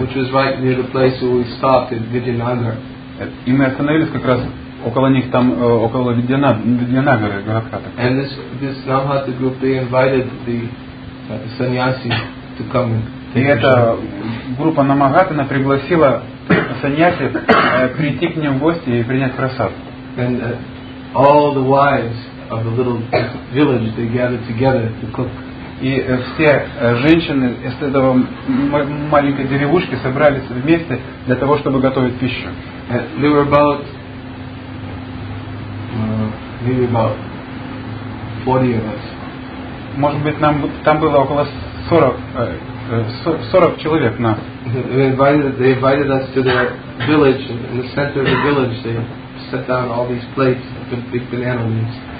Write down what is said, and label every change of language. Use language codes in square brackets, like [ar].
[en] Which was right near the place where we stopped in Vidyanagar. [ru] И мы остановились как раз около них там, около Видьянагары, городка так. [en] And this Namhata group, they invited the sannyasi to come. [ru] И эта группа Намахаты пригласила саньяси прийти к ним в гости и принять просад. [en] And all the wives of the little village, they gathered together to cook. [ru] И все женщины из этого маленькой деревушки собрались вместе для того, чтобы готовить пищу. [en] They were about maybe about 40 of us. [ru] Может быть, нам там было около 40 человек на. [en] They invited us to their village. In the center of the village, they set down all these plates with big banana leaves.